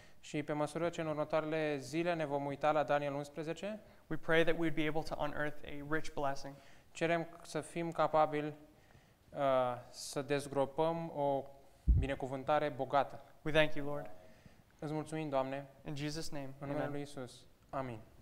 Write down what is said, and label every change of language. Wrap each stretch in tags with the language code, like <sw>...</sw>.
<ro>și pe măsură ce în următoarele zile ne vom uita la Daniel 11,</ro> <en>we pray that we'd be able to unearth a rich blessing.</en> <ro>Cerem să fim capabili să dezgropăm o binecuvântare bogată.</ro> <en>We thank you, Lord.</en> <ro>Îți mulțumim, Doamne.</ro> <en>In Jesus' name.</en> <ro>În numele lui Iisus. Amin.</ro>